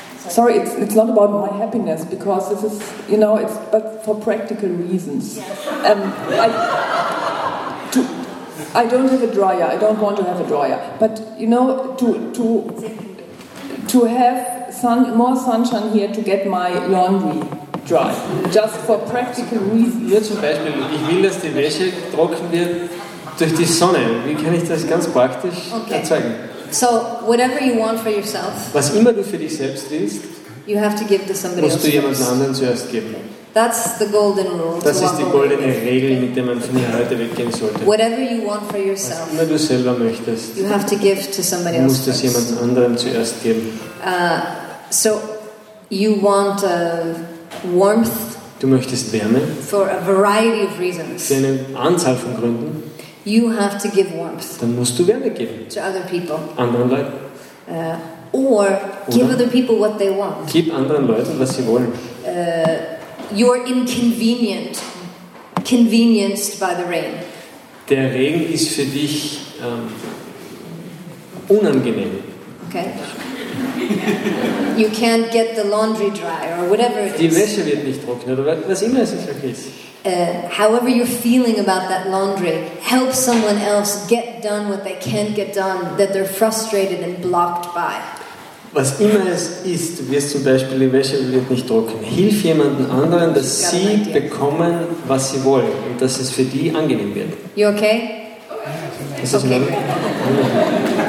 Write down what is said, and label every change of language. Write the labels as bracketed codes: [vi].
[en] sorry, it's not about my happiness because this is, you know, it's but for practical reasons. Yes. I don't have a dryer. I don't want to have a dryer. But you know, to have more sunshine here to get my laundry dry, just for practical reasons. [de] Ja, zum Beispiel, ich will, dass die Wäsche trocken wird durch die Sonne. Wie kann ich das ganz praktisch erzeugen? [en] So, whatever you want for yourself, [de] was immer du für dich selbst willst, [en] you have to give to somebody [de] musst du jemandem anderen zuerst geben. [en] That's the golden rule. [de] Das ist die goldene Regel, mit der man von hier heute weggehen sollte. [en] Whatever you want for yourself, [de] was immer du selber möchtest, [en] you have to give to somebody else [de] musst du es jemand anderem zuerst geben. [en] So, you want a warmth, [de] du möchtest Wärme, [en] for a variety of reasons, [de] für eine Anzahl von Gründen. [en] You have to give warmth, [de] dann musst du Wärme geben, [en] to other people, [de] anderen Leuten. [en] Or give other people what they want, [de] gib anderen Leuten, was sie wollen. [en] You're inconvenienced by the rain. [de] Der Regen ist für dich unangenehm. [en] Okay. You can't get the laundry dry or whatever it is. [de] Die Wäsche wird nicht trocken oder was immer es ist. [en] However you're feeling about that laundry, help someone else get done what they can't get done, that they're frustrated and blocked by. [de] Was immer es ist, du wirst zum Beispiel, die Wäsche wird nicht trocken. Hilf jemanden anderen, dass sie bekommen, was sie wollen und dass es für die angenehm wird. [en] You okay? [de] Ist das okay? Okay.